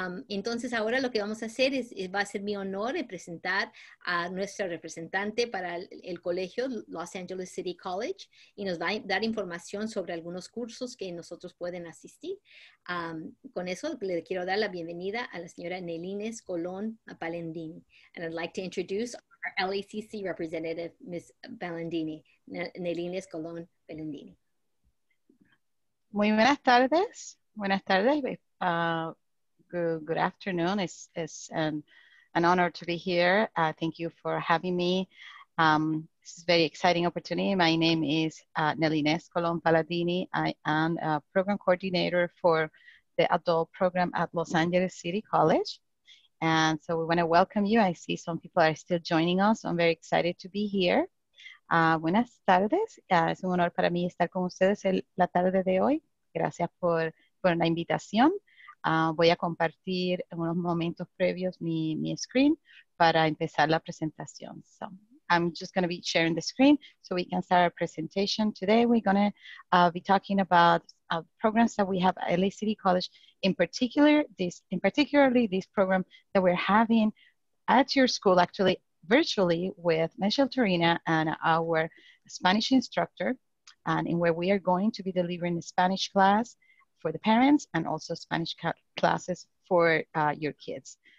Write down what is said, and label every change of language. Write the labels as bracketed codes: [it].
[es] Entonces ahora lo que vamos a hacer es, va a ser mi honor de presentar a nuestra representante para el colegio Los Angeles City College y nos va a dar información sobre algunos cursos que nosotros pueden asistir. Con eso le quiero dar la bienvenida a la señora Nelines Colón Palendini. [en] And I'd like to introduce our LACC representative, Ms. Palendini, Nelines Colón Palendini. [es] Muy buenas tardes. Buenas tardes. [en] Good afternoon. It's an honor to be here. Thank you for having me. This is a very exciting opportunity. My name is Nelines Colón Palendini. I am a program coordinator for the adult program at Los Angeles City College. And so we want to welcome you. I see some people are still joining us. I'm very excited to be here. [es] Buenas tardes. Es un honor para mí estar con ustedes la tarde de hoy. Gracias por la invitación. Voy a compartir en unos momentos previos mi screen para empezar la presentación. [en] So I'm just going to be sharing the screen so we can start our presentation. Today we're going to be talking about programs that we have at LA City College, in particular this program that we're having at your school, actually virtually with Micheltorena and our Spanish instructor, and in where we are going to be delivering a Spanish class for the parents and also Spanish classes for your kids.